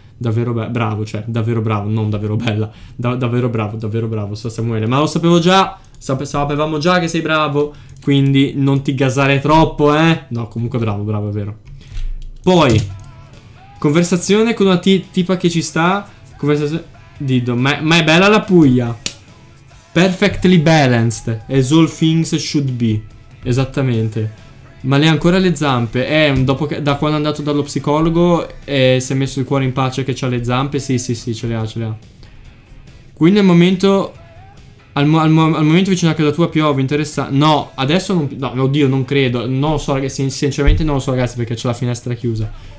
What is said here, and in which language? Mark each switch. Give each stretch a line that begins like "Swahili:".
Italian: Davvero bravo, cioè, davvero bravo, non davvero bella. Davvero bravo, so Samuele. Ma lo sapevo già, sapevamo già che sei bravo. Quindi non ti gasare troppo, eh. No, comunque bravo, è vero. Poi, conversazione con una tipa che ci sta. Conversazione, Dido, ma è bella la Puglia.
English: Perfectly balanced, as all things should be.
Italian: Esattamente. Ma lei ha ancora le zampe? Dopo che, da quando è andato dallo psicologo, si è messo il cuore in pace che c'ha le zampe. Sì, ce le ha. Quindi al momento, al momento vicino a casa tua piove, interessante. No, adesso non... No, oddio, non credo. Non lo so, ragazzi, sinceramente non lo so, ragazzi, perché c'è la finestra chiusa.